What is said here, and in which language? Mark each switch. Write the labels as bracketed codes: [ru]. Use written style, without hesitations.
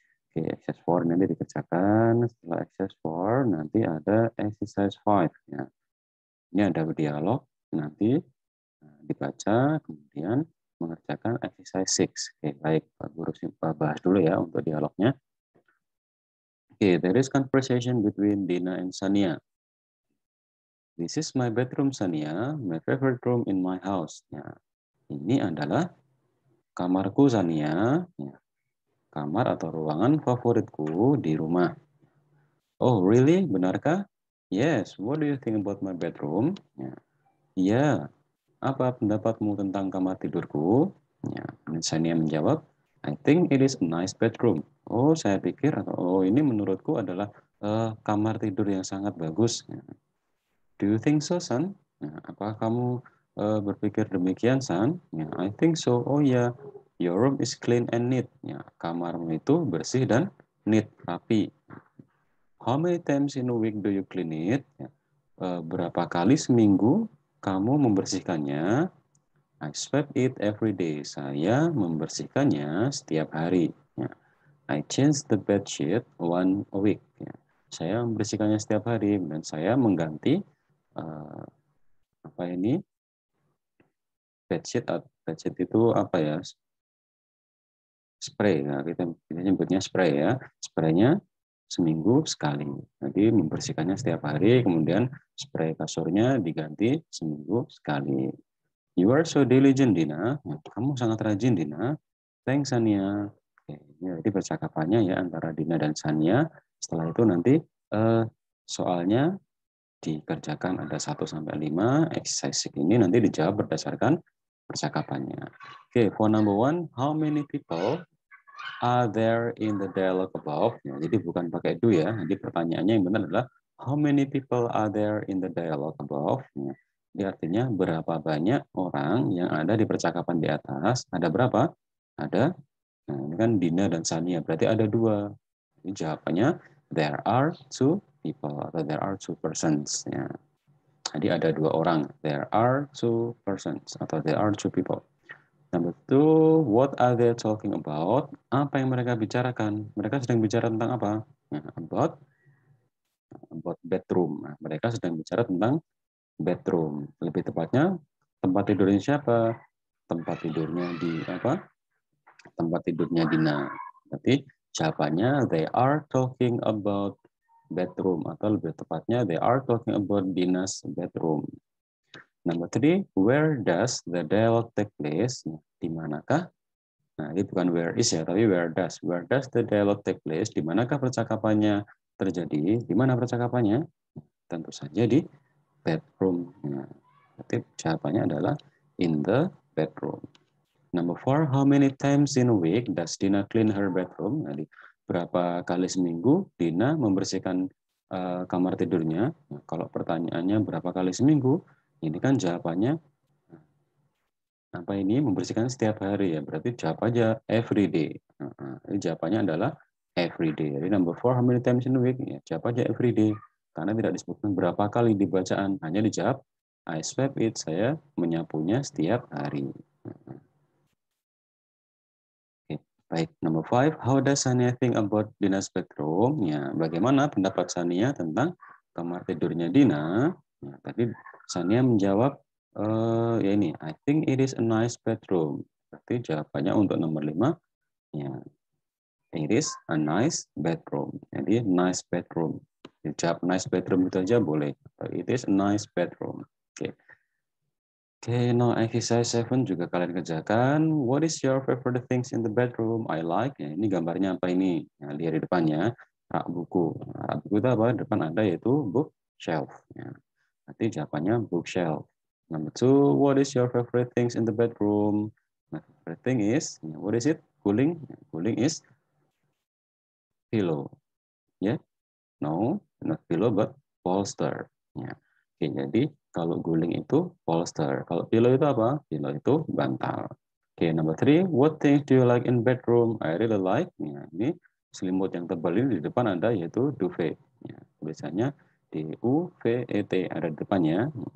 [id] Oke, exercise 4 nanti dikerjakan. Setelah exercise 4 nanti ada exercise 5 ya. Ini ada dialog nanti dibaca kemudian mengerjakan exercise 6. Oke, baik Pak Guru bahas dulu ya untuk dialognya. [en] Okay, there is conversation between Dina and Sania. This is my bedroom, Sania, my favorite room in my house. [id] Ya, ini adalah kamarku, Sania. Ya, kamar atau ruangan favoritku di rumah. [en] Oh, really? [id] Benarkah? [en] Yes, what do you think about my bedroom? [id] Ya, apa pendapatmu tentang kamar tidurku? Ya, Sania menjawab, [en] I think it is a nice bedroom. [id] Oh, saya pikir, oh ini menurutku adalah kamar tidur yang sangat bagus. [en] Do you think so, son? [id] Apakah kamu berpikir demikian, son? [en] I think so. [id] Oh ya, yeah. [en] Your room is clean and neat. [id] Ya, kamarmu itu bersih dan neat, rapi. [en] How many times in a week do you clean it? [id] Berapa kali seminggu kamu membersihkannya? [en] I sweep it every day. [id] Saya membersihkannya setiap hari. [en] I change the bed sheet one a week. [id] Ya. Saya membersihkannya setiap hari dan saya mengganti apa ini bed sheet itu apa ya spray. Nah, kita nyebutnya spray ya. Spraynya seminggu sekali. Jadi membersihkannya setiap hari kemudian spray kasurnya diganti seminggu sekali. [en] You are so diligent, Dina. [id] Kamu sangat rajin, Dina. [en] Thanks, Sania. [id] Jadi percakapannya ya antara Dina dan Sania. Setelah itu nanti soalnya dikerjakan ada 1 sampai 5. Exercise ini nanti dijawab berdasarkan percakapannya. [en] Oke, okay, for number one, how many people are there in the dialogue above? [id] Ya, jadi bukan pakai do ya. Jadi pertanyaannya yang benar adalah [en] how many people are there in the dialogue above? [id] Ya, jadi artinya berapa banyak orang yang ada di percakapan di atas? Ada berapa? Ada. Nah, ini kan Dina dan Sania, berarti ada dua. Ini jawabannya, [en] there are two people, atau there are two persons. Ya. [id] Jadi ada dua orang, [en] there are two persons, atau there are two people. Number two, what are they talking about? [id] Apa yang mereka bicarakan? Mereka sedang bicara tentang apa? Nah, [en] about bedroom. [id] Nah, mereka sedang bicara tentang bedroom. Lebih tepatnya, tempat tidurnya siapa? Tempat tidurnya di apa? Tempat tidurnya Dina. Berarti jawabannya [en] they are talking about bedroom [id] atau lebih tepatnya [en] they are talking about Dina's bedroom. Number three, where does the dialogue take place? [id] Di manakah? Nah, ini bukan where is ya, tapi where does. [en] Where does the dialogue take place? [id] Di manakah percakapannya terjadi? Di mana percakapannya? Tentu saja di bedroom. Nah, berarti jawabannya adalah [en] in the bedroom. Number four, how many times in a week does Dina clean her bedroom? [id] Jadi berapa kali seminggu Dina membersihkan kamar tidurnya? Nah, kalau pertanyaannya berapa kali seminggu, ini kan jawabannya apa ini membersihkan setiap hari ya? Berarti jawab aja every day. Jadi jawabannya adalah every day. Jadi number four, [en] how many times in a week? [id] Ya, jawab aja every day. Karena tidak disebutkan berapa kali di bacaan, hanya dijawab [en] I sweep it. [id] Saya menyapunya setiap hari. [en] Baik, number five, how does Sania think about Dina's bedroom? [id] Ya, bagaimana pendapat Sania tentang kamar tidurnya Dina? Ya, tadi Sania menjawab, ya ini, [en] I think it is a nice bedroom. [id] Berarti jawabannya untuk nomor lima, ya, [en] it is a nice bedroom. [id] Jadi, nice bedroom. Jawab nice bedroom itu aja boleh. [en] It is a nice bedroom. Oke. Okay. Oke, okay, now exercise 7 [id] juga kalian kerjakan. [en] What is your favorite things in the bedroom? I like. [id] Ya, ini gambarnya apa ini? Nah, lihat di depannya. Rak buku. Rak buku itu apa? Depan ada yaitu book shelf. Ya. Nanti jawabannya bookshelf. [en] Number two, what is your favorite things in the bedroom? My favorite thing is, what is it? Guling. Guling is pillow. Yeah? No, not pillow, but bolster. Yeah. Okay, [id] jadi kalau guling itu bolster. Kalau pillow itu apa? Pillow itu bantal. [en] Okay, number three, what things do you like in bedroom? I really like. [id] Yeah, ini selimut yang tebal ini di depan Anda, yaitu duvet. Yeah, biasanya D-U-V-E-T ada di depannya.